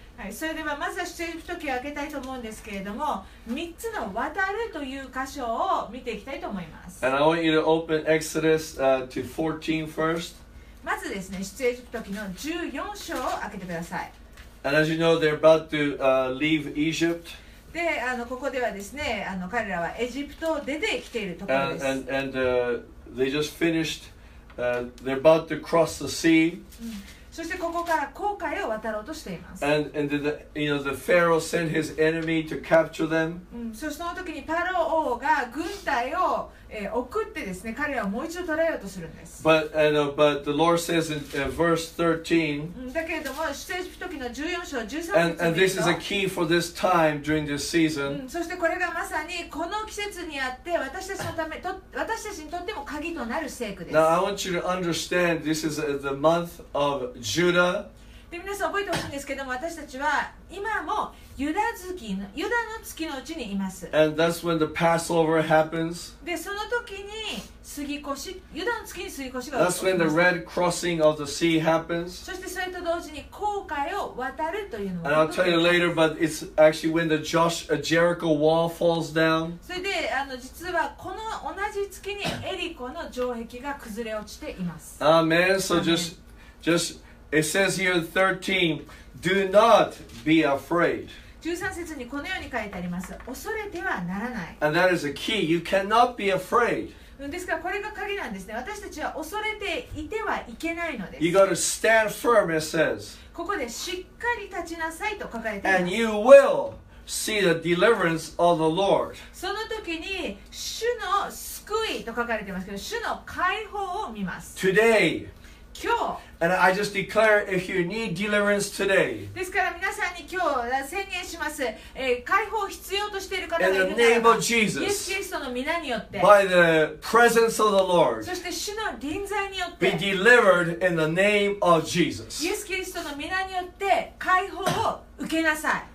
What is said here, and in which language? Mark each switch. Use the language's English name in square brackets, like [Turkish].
[Japanese] はい、それではまずは出エジプト記を開けたいと思うんですけれども、3つの渡るという箇所を見ていきたいと思います。 [English] And I want you to open Exodus, to 14 first. [Japanese] まずですね、出エジプト記の14章を開けてください。 [English] And as you know, they're about to, leave Egypt. [Japanese] で、あのここではですね、あの彼らはエジプトを出てきているところです。 [English] They just finished, they're about to cross the sea. [Japanese] そしてここから紅海を渡ろうとしています。 [English] The Pharaoh sent his enemy to capture them. [Japanese] そしてその時にパロ王が軍隊を、送ってですね、彼らをもう一度捕らえようとするんです。 [English] But the Lord says in verse 13. [Japanese] だけれども、出エジプト記の14章13節を見ると [English] 、and this is a key for this time during this season. [Japanese] そしてこれがまさにこの季節にあって私たちにとっても鍵となる聖句です。 [English] Now I want you to understand this is the month of Judah. [Japanese] で、皆さん覚えてほしいんですけども、私たちは今もユダの月のうちにいます。 [English] And that's when the Passover happens. [Japanese] で、その時に過ぎ越し、ユダの月に過ぎ越しが。 [English] That's when the Red Crossing of the Sea happens. [Japanese] そしてそれと同時に紅海を渡るというのが。 [English] And I'll tell you later, but it's actually when the Jericho wall falls down. [Japanese] それで、あの実はこの同じ月にエリコの城壁が崩れ落ちています。 [English] Amen. So just. It says here in 13, do not be afraid. [Japanese] 13節にこのように書いてあります。恐れてはならない。 [English] And that is a key. You cannot be afraid. [Japanese] ですからこれが鍵なんですね。私たちは恐れていてはいけないのです。 [English] You got to stand firm, it says. [Japanese] ここでしっかり立ちなさいと書かれています。 [English] And you will see the deliverance of the Lord. [Japanese] その時に主の救いと書かれていますけど、主の解放を見ます。 [English] Today. [Japanese] 今日、 [English] And I just declare if you need deliverance today, [Japanese] ですから皆さんに今日宣言します、解放必要としている方がいるならば、 [English] in the name of Jesus, [Japanese] イエス・キリストの御名によって、 [English] by the presence of the Lord, [Japanese] そして主の臨在によって、 [English] be delivered in the name of Jesus. [Japanese] イエス・キリストの御名によって解放を受けなさい。